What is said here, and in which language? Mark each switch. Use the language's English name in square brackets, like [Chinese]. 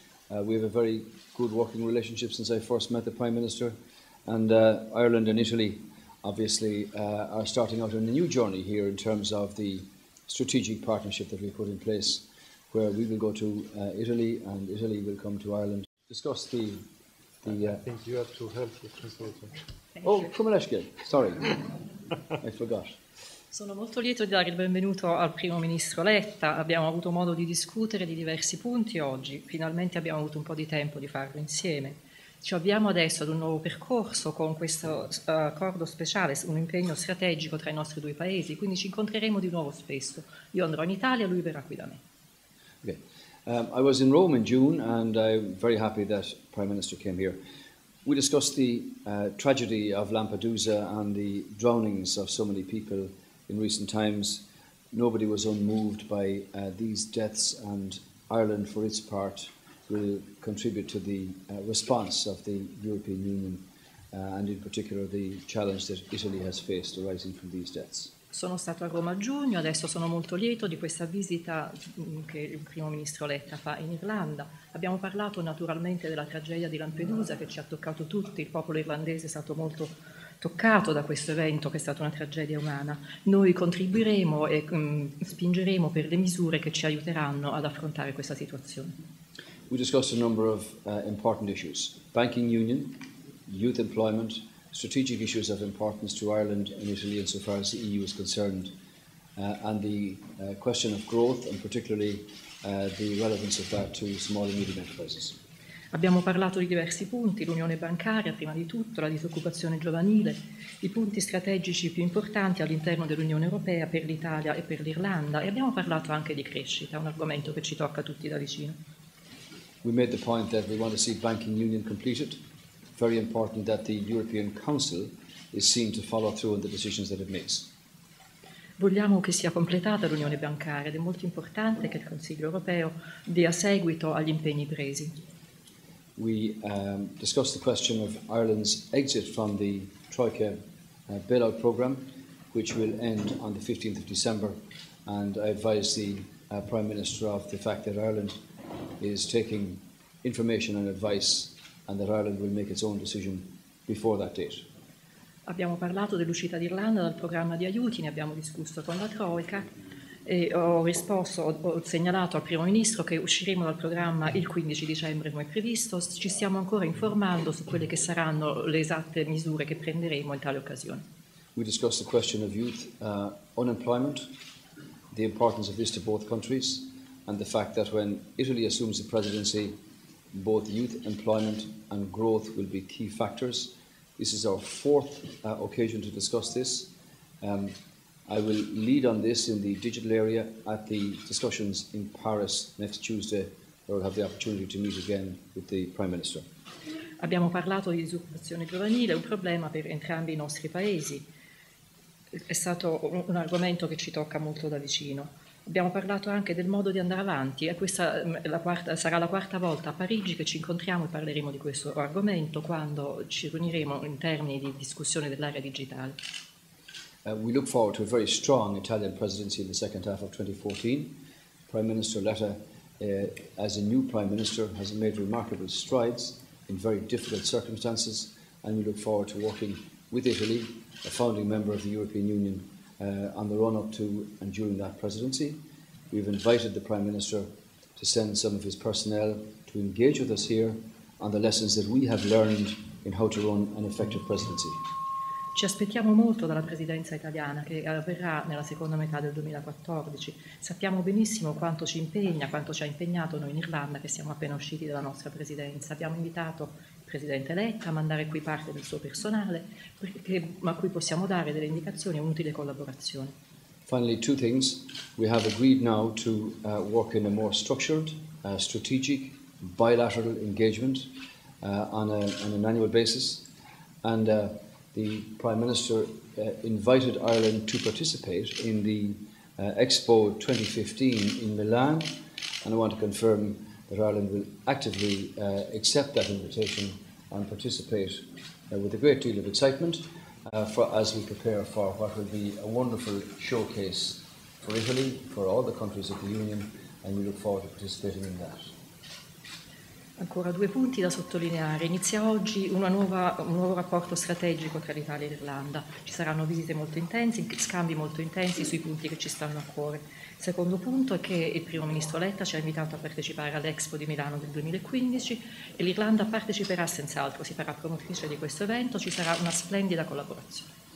[English] We have a very good working relationship since I first met the Prime Minister, and Ireland and Italy obviously are starting out on a new journey here in terms of the strategic partnership that we put in place, where we will go to Italy and Italy will come to Ireland. Discuss the... I think you have to help the translator. Oh, Cumuleschi, sorry. I forgot. [Italian] Sono molto lieto di dare il benvenuto al primo ministro Letta. Abbiamo avuto modo di discutere di diversi punti oggi. Finalmente abbiamo avuto un po' di tempo di farlo insieme. Ci avviamo adesso ad un nuovo percorso con questo accordo speciale, un impegno strategico tra i nostri due paesi. Quindi ci incontreremo di nuovo spesso. Io andrò in Italia, lui verrà qui da me. [English] Okay. I was in Rome in June and I'm very happy that Prime Minister came here. We discussed the tragedy of Lampedusa and the drownings of so many people in recent times. Nobody was unmoved by these deaths, and Ireland, for its part, will contribute to the response of the European Union and in particular the challenge that Italy has faced arising from these deaths. [Italian] Sono stato a Roma a giugno, adesso sono molto lieto di questa visita che il primo ministro Letta fa in Irlanda. Abbiamo parlato naturalmente della tragedia di Lampedusa che ci ha toccato tutti, il popolo irlandese è stato molto toccato da questo evento che è stata una tragedia umana. Noi contribuiremo e spingeremo per le misure che ci aiuteranno ad affrontare questa situazione. [English] We discussed a number of important issues: banking union, youth employment, strategic issues of importance to Ireland and Italy insofar as the EU is concerned, and the question of growth and particularly the relevance of that to small and medium enterprises. [Italian] Abbiamo parlato di diversi punti, l'unione bancaria prima di tutto, la disoccupazione giovanile, i punti strategici più importanti all'interno dell'Unione Europea per l'Italia e per l'Irlanda, e abbiamo parlato anche di crescita, un argomento che ci tocca tutti da vicino. [English] We made the point that we want to see banking union completed. Very important that the European Council is seen to follow through on the decisions that it makes. [Italian] Vogliamo che sia completata l'unione bancaria ed è molto importante che il Consiglio europeo dia seguito agli impegni presi. [English] we discussed the question of Ireland's exit from the Troika bailout programme, which will end on the 15th of December. And I advised the Prime Minister of the fact that Ireland is taking information and advice and that Ireland will make its own decision before that date. [Italian] Abbiamo parlato dell'uscita d'Irlanda dal programma di aiuti, ne abbiamo discusso con la Troika e ho risposto, ho segnalato al Primo Ministro che usciremo dal programma il 15 dicembre come previsto, ci stiamo ancora informando su quelle che saranno le esatte misure che prenderemo in tale occasione. [English] We discussed the question of youth unemployment, the importance of this to both countries and the fact that when Italy assumes the presidency, both youth employment and growth will be key factors. This is our fourth occasion to discuss this. I will lead on this in the digital area at the discussions in Paris next Tuesday, where we'll have the opportunity to meet again with the Prime Minister. [Italian] Abbiamo parlato di disoccupazione giovanile, un problema per entrambi i nostri paesi. È stato un argomento che ci tocca molto da vicino. Abbiamo parlato anche del modo di andare avanti e questa sarà la quarta volta a Parigi che ci incontriamo e parleremo di questo argomento quando ci riuniremo in termini di discussione dell'area digitale. [English] We look forward to a very strong Italian presidency in the second half of 2014. Prime Minister Letta, as a new Prime Minister, has made remarkable strides in very difficult circumstances and we look forward to working with Italy, a founding member of the European Union, on the run-up to and during that presidency. We've invited the Prime Minister to send some of his personnel to engage with us here on the lessons that we have learned in how to run an effective presidency. [Italian] Ci aspettiamo molto dalla presidenza italiana che avverrà nella seconda metà del 2014. Sappiamo benissimo quanto ci impegna, quanto ci ha impegnato noi in Irlanda che siamo appena usciti dalla nostra presidenza. Abbiamo invitato il presidente Letta a mandare qui parte del suo personale perché, a cui possiamo dare delle indicazioni e un'utile collaborazione. [English] Finally, two things. We have agreed now to work in a more structured, strategic, bilateral engagement on an annual basis. And the Prime Minister invited Ireland to participate in the Expo 2015 in Milan, and I want to confirm that Ireland will actively accept that invitation and participate with a great deal of excitement for as we prepare for what will be a wonderful showcase for Italy, for all the countries of the Union, and we look forward to participating in that. [Italian] Ancora due punti da sottolineare. Inizia oggi un nuovo rapporto strategico tra l'Italia e l'Irlanda. Ci saranno visite molto intense, scambi molto intensi sui punti che ci stanno a cuore. Secondo punto è che il Primo Ministro Letta ci ha invitato a partecipare all'Expo di Milano del 2015 e l'Irlanda parteciperà senz'altro, si farà promotrice di questo evento, ci sarà una splendida collaborazione.